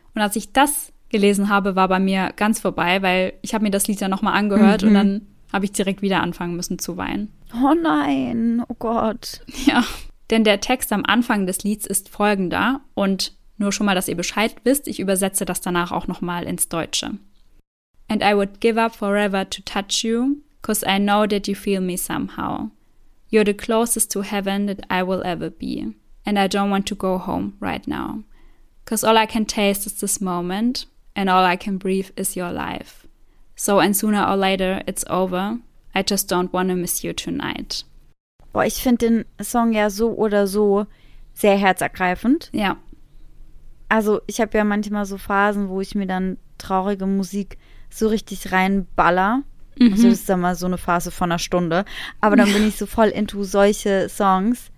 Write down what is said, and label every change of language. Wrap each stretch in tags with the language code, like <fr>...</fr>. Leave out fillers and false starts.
<de>Und als ich das gelesen habe, war bei mir ganz vorbei, weil ich habe mir das Lied ja nochmal angehört und dann habe ich direkt wieder anfangen müssen zu weinen. Oh nein, oh Gott. Ja. Denn der Text am Anfang des Lieds ist folgender und nur schon mal, dass ihr Bescheid wisst, ich übersetze das danach auch nochmal ins Deutsche.</de> <en>And I would give up forever to touch you, 'cause I know that you feel me somehow. You're the closest to heaven that I will ever be, and I don't want to go home right now. 'Cause all I can taste is this moment, and all I can breathe is your life. So and sooner or later it's over, I just don't want to miss you tonight.</en> <de>Boah, ich finde den Song ja so oder so sehr herzergreifend. Ja. Also ich habe ja manchmal so Phasen, wo ich mir dann traurige Musik so richtig reinballer. Mhm. Also das ist dann mal so eine Phase von einer Stunde. Aber dann bin ich so voll into solche Songs.</de>